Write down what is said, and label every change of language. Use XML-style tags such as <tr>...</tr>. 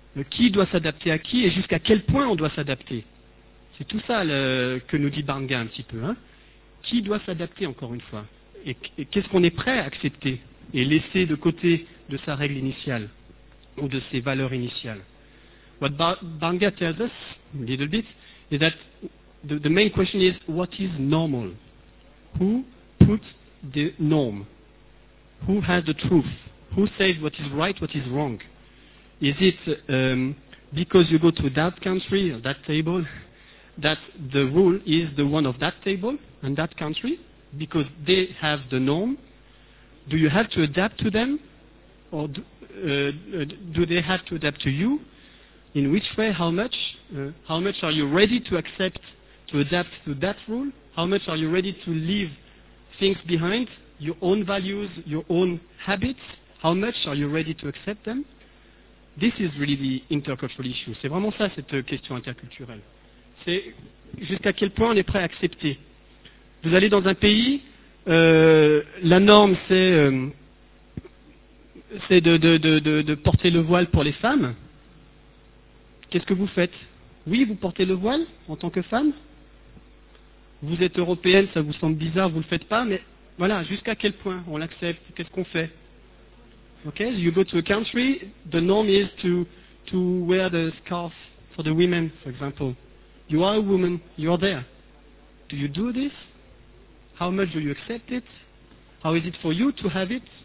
<fr>Qui doit s'adapter à qui, et jusqu'à quel point on doit s'adapter? C'est tout ça que nous dit Barnga un petit peu. Hein. Qui doit s'adapter, encore une fois? Et qu'est-ce qu'on est prêt à accepter, et laisser de côté de sa règle initiale, ou de ses valeurs initiales?</fr> <en>What Barnga tells us, a little bit, is that... The main question is, what is normal? Who puts the norm? Who has the truth? Who says what is right, what is wrong? Is it because you go to that country, or that table, that the rule is the one of that table and that country because they have the norm? Do you have to adapt to them? Or do they have to adapt to you? In which way? How much? How much are you ready to accept, to adapt to that rule? How much are you ready to leave things behind, your own values, your own habits? How much are you ready to accept them? This is really the intercultural issue.</en> <fr>C'est vraiment ça, cette question interculturelle. C'est jusqu'à quel point on est prêt à accepter. Vous allez dans un pays, la norme c'est de porter le voile pour les femmes. Qu'est-ce que vous faites? Oui, vous portez le voile en tant que femme. Vous êtes européenne, ça vous semble bizarre, vous ne le faites pas, mais voilà, jusqu'à quel point on l'accepte, qu'est-ce qu'on fait?</fr> <en>Okay, so you go to a country, the norm is to wear the scarf for the women, for example. You are a woman, you are there. Do you do this? How much do you accept it? How is it for you to have it?</en>